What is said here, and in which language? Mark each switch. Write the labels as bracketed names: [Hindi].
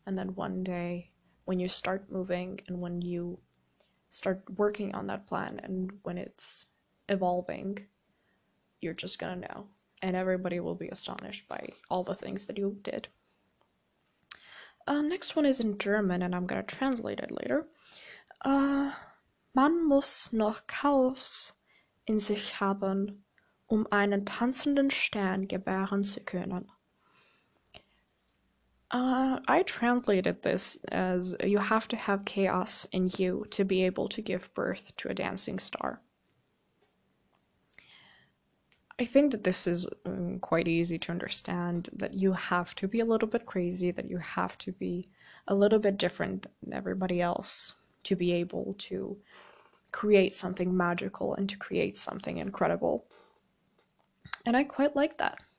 [English] And then one day, when you start moving and when you start working on that plan and when it's evolving, you're just gonna know. And everybody will be astonished by all the things that you did. Next one is in German, and I'm gonna translate it later. [German] Man muss noch Chaos in sich haben, einen tanzenden Stern gebären zu können. [English] I translated this as you have to have chaos in you to be able to give birth to a dancing star. I think that this is quite easy to understand, that you have to be a little bit crazy, that you have to be a little bit different than everybody else to be able to create something magical and to create something incredible. And I quite like that.